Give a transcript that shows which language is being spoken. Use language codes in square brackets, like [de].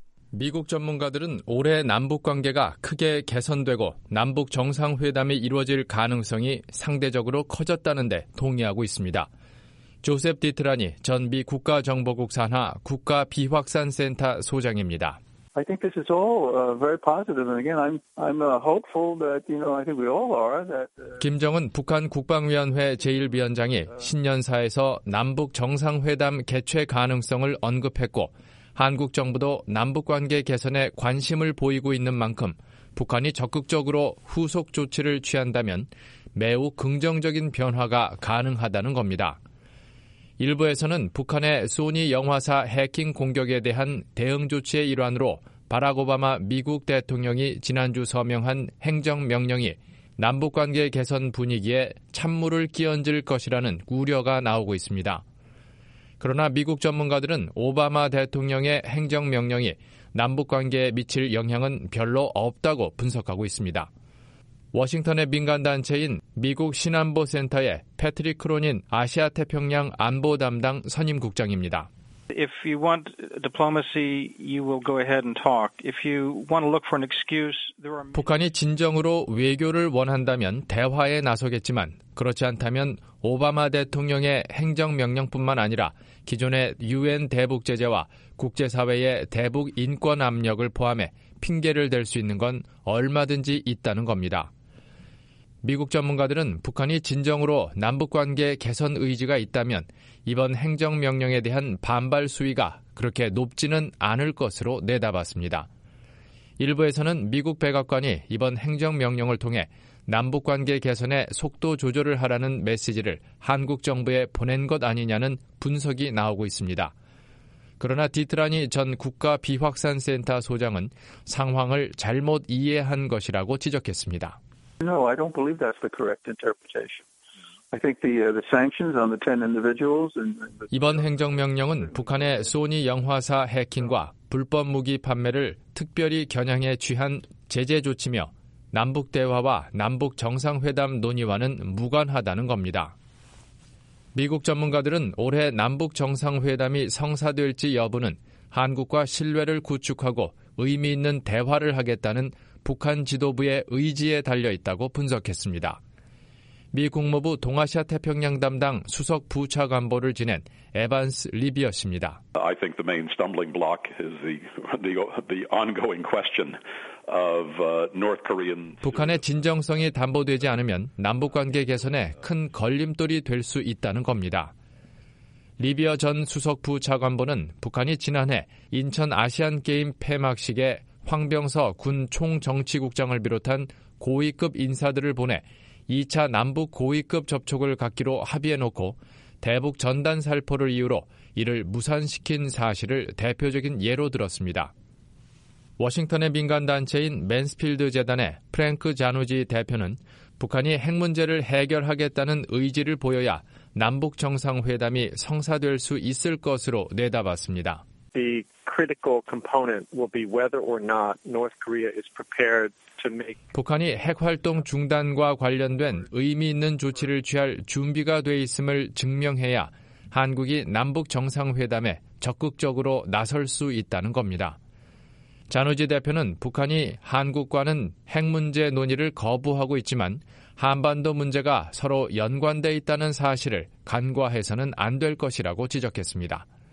[ko] 미국 전문가들은 올해 남북관계가 크게 개선되고 남북정상회담이 이루어질 가능성이 상대적으로 커졌다는 데 동의하고 있습니다. 조셉 디트라니 전 미 국가정보국 산하 국가비확산센터 소장입니다. [en] I think this is all very positive. And again, I'm hopeful that, you know, I think we all are that. [ko] 김정은 북한 국방위원회 제1위원장이 신년사에서 남북 정상회담 개최 가능성을 언급했고, 한국 정부도 남북관계 개선에 관심을 보이고 있는 만큼 북한이 적극적으로 후속 조치를 취한다면 매우 긍정적인 변화가 가능하다는 겁니다. 일부에서는 북한의 소니 영화사 해킹 공격에 대한 대응 조치의 일환으로 바락 오바마 미국 대통령이 지난주 서명한 행정명령이 남북관계 개선 분위기에 찬물을 끼얹을 것이라는 우려가 나오고 있습니다. 그러나 미국 전문가들은 오바마 대통령의 행정명령이 남북관계에 미칠 영향은 별로 없다고 분석하고 있습니다. 워싱턴의 민간단체인 미국 신안보센터의 패트릭 크로닌 아시아태평양 안보 담당 선임 국장입니다. [en] If you want diplomacy, you will go ahead and talk. If you want to look for an excuse, there are [ko] 북한이 진정으로 외교를 원한다면 대화에 나서겠지만 그렇지 않다면 오바마 대통령의 행정명령뿐만 아니라 기존의 UN 대북 제재와 국제사회의 대북 인권 압력을 포함해 핑계를 댈 수 있는 건 얼마든지 있다는 겁니다. 미국 전문가들은 북한이 진정으로 남북관계 개선 의지가 있다면 이번 행정명령에 대한 반발 수위가 그렇게 높지는 않을 것으로 내다봤습니다. 일부에서는 미국 백악관이 이번 행정명령을 통해 남북관계 개선에 속도 조절을 하라는 메시지를 한국 정부에 보낸 것 아니냐는 분석이 나오고 있습니다. 그러나 디트라니 전 국가비확산센터 소장은 상황을 잘못 이해한 것이라고 지적했습니다. [en] No, I don't believe that's the correct interpretation. I think the sanctions on the 10 individuals and [ko] 이번 행정명령은 북한의 소니 영화사 해킹과 불법 무기 판매를 특별히 겨냥해 취한 제재 조치며 남북 대화와 남북 정상회담 논의와는 무관하다는 겁니다. 미국 전문가들은 올해 남북정상회담이 성사될지 여부는 한국과 신뢰를 구축하고 의미 있는 대화를 하겠다는 북한 지도부의 의지에 달려있다고 분석했습니다. 미 국무부 동아시아 태평양 담당 수석 부차관보를 지낸 에반스 리비어 씨입니다. [en] I think the main stumbling block is the ongoing question of North Korean [ko] 북한의 진정성이 담보되지 않으면 남북관계 개선에 큰 걸림돌이 될 수 있다는 겁니다. 리비아 전 수석부 차관보는 북한이 지난해 인천 아시안게임 폐막식에 황병서 군 총정치국장을 비롯한 고위급 인사들을 보내 2차 남북 고위급 접촉을 갖기로 합의해놓고 대북 전단 살포를 이유로 이를 무산시킨 사실을 대표적인 예로 들었습니다. 워싱턴의 민간단체인 맨스필드 재단의 프랭크 자누지 대표는 북한이 핵 문제를 해결하겠다는 의지를 보여야 남북정상회담이 성사될 수 있을 것으로 내다봤습니다. [en] The critical component will be whether or not North Korea is prepared to make [ko] 북한이 핵활동 중단과 관련된 의미 있는 조치를 취할 준비가 돼 있음을 증명해야 한국이 남북정상회담에 적극적으로 나설 수 있다는 겁니다. 자누지 대표는 북한이 한국과는 핵 문제 논의를 거부하고 있지만 한반도 문제가 서로 연관돼 있다는 사실을 간과해서는 안 될 것이라고 지적했습니다.